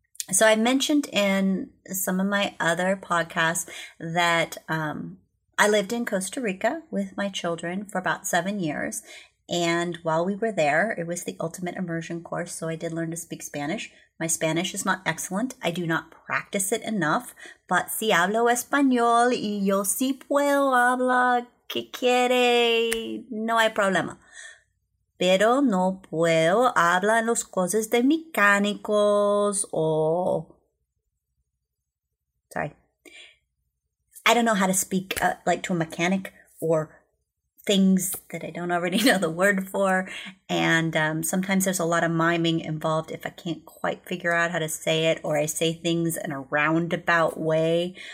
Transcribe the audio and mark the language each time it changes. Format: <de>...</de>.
<en>So I mentioned in some of my other podcasts that I lived in Costa Rica with my children for about 7 years, And while we were there, it was the ultimate immersion course, so I did learn to speak Spanish. My Spanish is not excellent. I do not practice it enough, but</en> <es>si hablo español y yo si puedo hablar, ¿qué quiere? No hay problema. Pero no puedo hablar en los cosas de mecánicos o...</es> <en>Sorry. I don't know how to speak like to a mechanic or things that I don't already know the word for. And sometimes there's a lot of miming involved if I can't quite figure out how to say it or I say things in a roundabout way.</en>